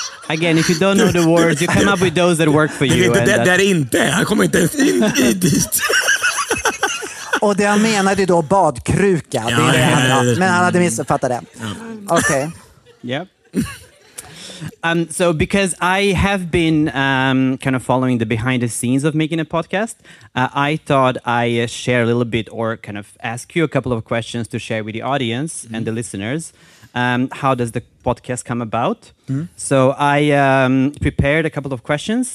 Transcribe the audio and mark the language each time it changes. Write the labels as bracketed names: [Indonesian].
[English] Again, if you don't know the words, you come up with those that work for you. [Swedish] Det är inte. Jag kommer inte ens in i dit. Och det han menade då, badkruka. Ja, det är det han, men han hade missuppfattat det. Ja. Okej. [English] Okay. Yep. So because I have been kind of following the behind the scenes of making a podcast, I thought I share a little bit, or kind of ask you a couple of questions to share with the audience and the listeners. How does the podcast come about? So I prepared a couple of questions.